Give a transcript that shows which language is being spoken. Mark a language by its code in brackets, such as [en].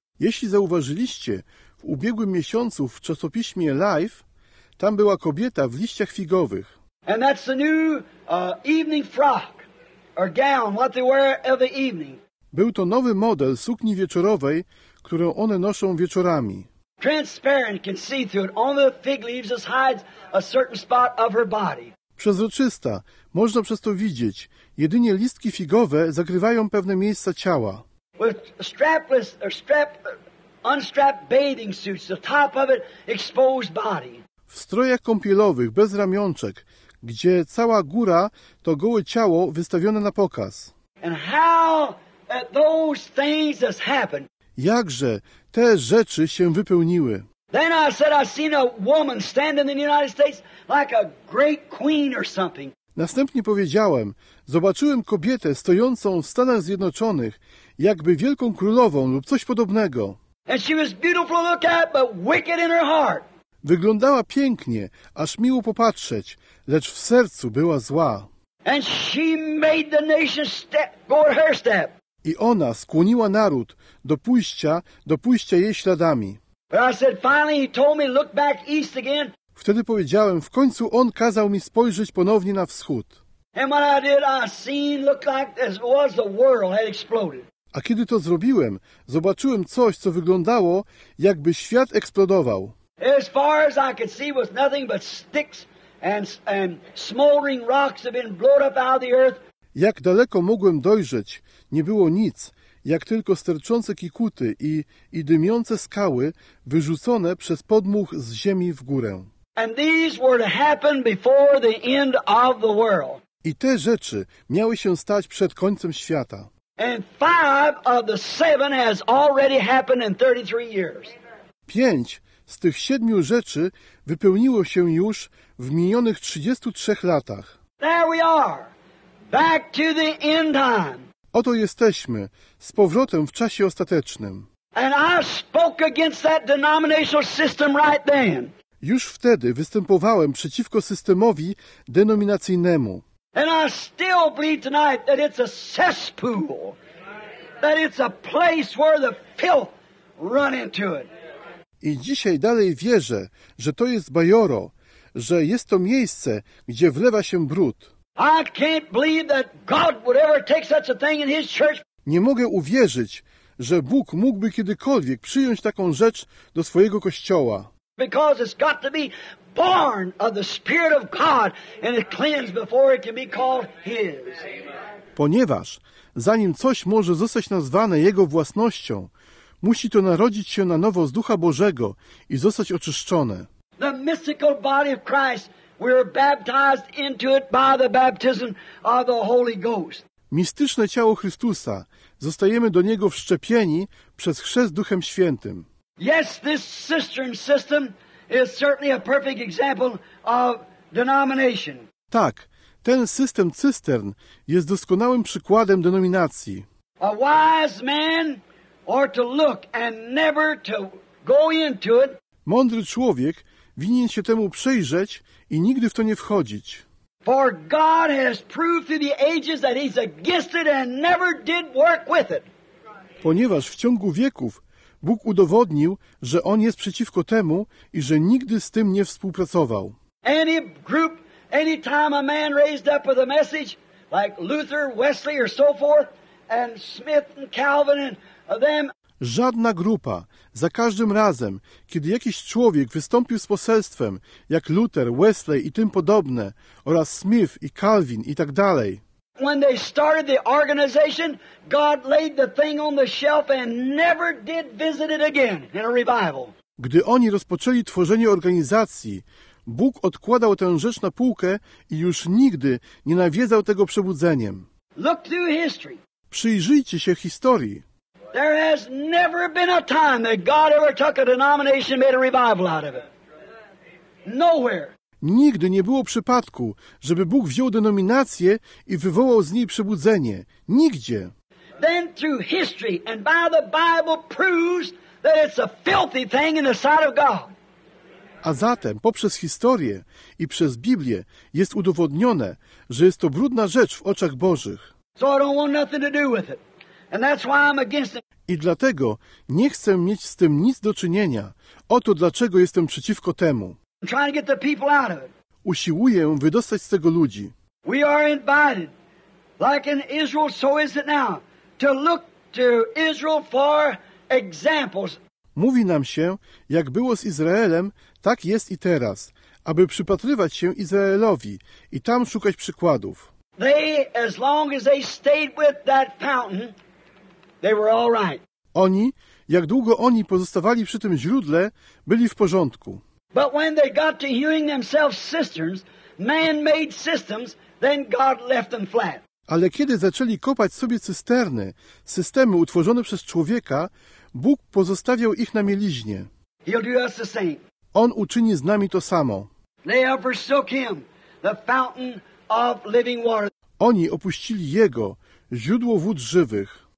[pl] Jeśli zauważyliście, w ubiegłym miesiącu w czasopiśmie Life, tam była kobieta w liściach figowych. [en] And that's the new evening frock or gown, what they wear every evening. [pl] Był to nowy model sukni wieczorowej, którą one noszą wieczorami. [en] Transparent, can see through it. Only the fig leaves just hides a certain spot of her body. [pl] Przezroczysta, można przez to widzieć. Jedynie listki figowe zakrywają pewne miejsca ciała. [en] With strapless or unstrapped bathing suits, the top of it exposed body. [pl] W strojach kąpielowych bez ramionczek, gdzie cała góra to gołe ciało wystawione na pokaz. [en] And how those things has happened. [pl] Jakże te rzeczy się wypełniły. [en] Then I said I seen a woman standing in the United States like a great queen or something. [pl] Następnie powiedziałem, zobaczyłem kobietę stojącą w Stanach Zjednoczonych, jakby wielką królową lub coś podobnego. [en] And she was beautiful to look at, but wicked in her heart. [pl] Wyglądała pięknie, aż miło popatrzeć, lecz w sercu była zła. [en] And she made the nation step, go at her step. [pl] I ona skłoniła naród do pójścia jej śladami. [en] But I said, finally he told me to look back east again. [pl] Wtedy powiedziałem, w końcu on kazał mi spojrzeć ponownie na wschód. [en] And what I did, I seen looked like as was the world had exploded. [pl] A kiedy to zrobiłem, zobaczyłem coś, co wyglądało, jakby świat eksplodował. [en] As far as I could see was nothing but sticks and smoldering rocks have been blown up out of the earth. [pl] Jak daleko mogłem dojrzeć, nie było nic, jak tylko sterczące kikuty i dymiące skały wyrzucone przez podmuch z ziemi w górę. [en] And these were to happen before the end of the world. [pl] I te rzeczy miały się stać przed końcem świata. [en] And five of the seven has already happened in 33 years. [pl] Pięć z tych siedmiu rzeczy wypełniło się już w minionych 33 latach. [en] There we are. Back to the end time. [pl] Oto jesteśmy, z powrotem w czasie ostatecznym. [en] And I spoke against that denominational system right then. [pl] Już wtedy występowałem przeciwko systemowi denominacyjnemu. [en] And I still believe tonight that it's a cesspool. That it's a place where the filth run into it. [pl] I dzisiaj dalej wierzę, że to jest bajoro, że jest to miejsce, gdzie wlewa się brud. [en] I can't believe that God would ever take such a thing in his church. [pl] Nie mogę uwierzyć, że Bóg mógłby kiedykolwiek przyjąć taką rzecz do swojego kościoła. [en] Because it's got to be born of the Spirit of God and it cleans before it can be called his. [pl] Ponieważ zanim coś może zostać nazwane jego własnością, musi to narodzić się na nowo z Ducha Bożego i zostać oczyszczone. [en] The mystical body of Christ, we are baptized into it by the baptism of the Holy Ghost. [pl] Mistyczne ciało Chrystusa, zostajemy do niego wszczepieni przez chrzest Duchem Świętym. [en] Yes, this cistern system is certainly a perfect example of denomination. [pl] Tak, ten system cystern jest doskonałym przykładem denominacji. [en] A wise man ought to look and never to go into it. [pl] Mądry człowiek winien się temu przyjrzeć i nigdy w to nie wchodzić. [en] For God has proved through the ages that he's against it and never did work with it. [pl] Ponieważ w ciągu wieków Bóg udowodnił, że on jest przeciwko temu i że nigdy z tym nie współpracował. [en] Any group, any time a man raised up with a message like Luther, Wesley or so forth and Smith and Calvin and them. [pl] Żadna grupa, za każdym razem, kiedy jakiś człowiek wystąpił z poselstwem, jak Luther, Wesley i tym podobne, oraz Smith i Calvin i tak dalej. [en] When they started the organization, God laid the thing on the shelf and never did visit it again in a revival. [pl] Gdy oni rozpoczęli tworzenie organizacji, Bóg odkładał tę rzecz na półkę i już nigdy nie nawiedzał tego przebudzeniem. [en] Look through history. [pl] Przyjrzyjcie się historii. [en] There has never been a time that God ever took a denomination and made a revival out of it. Nowhere. [pl] Nigdy nie było przypadku, żeby Bóg wziął denominację i wywołał z niej przebudzenie. Nigdzie. [en] Then through history and by the Bible proves that it's a filthy thing in the sight of God. [pl] A zatem poprzez historię i przez Biblię jest udowodnione, że jest to brudna rzecz w oczach Bożych. [en] So I don't want nothing to do with it. And that's why I'm against it. [pl] I dlatego nie chcę mieć z tym nic do czynienia. Oto dlaczego jestem przeciwko temu. [en] I'm trying to get the people out of it. [pl] Usiłuję wydostać z tego ludzi. [en] We are invited, like in Israel, so is it now, to look to Israel for examples. [pl] Mówi nam się, jak było z Izraelem, tak jest i teraz, aby przypatrywać się Izraelowi i tam szukać przykładów. [en] They, as long as they stayed with that fountain, they were all right. [pl] Oni, jak długo oni pozostawali przy tym źródle, byli w porządku. [en] But when they got to hewing themselves cisterns, man-made systems, then God left them flat. [pl] Ale kiedy zaczęli kopać sobie cysterny, systemy utworzone przez człowieka, Bóg pozostawiał ich na mieliźnie. [en] He'll do us the same. [pl] On uczyni z nami to samo. [en] They have forsook him, the fountain of living water. [pl] Oni opuścili Jego, źródło wód żywych.